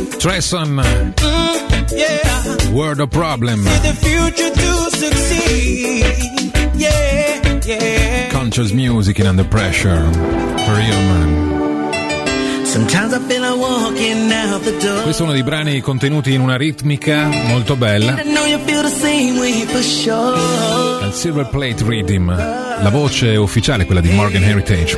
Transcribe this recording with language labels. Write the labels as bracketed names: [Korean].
[English] Treson. Yeah. Word of problem. See the future to succeed. Yeah. Conscious music in Under Pressure. For real, man. Sometimes I feel like walking out the door. [Italian] Questo è uno dei brani contenuti in una ritmica molto bella. [English] I know you feel the same way for sure. [Italian] Al Silver Plate Rhythm. La voce ufficiale è quella di Morgan Heritage.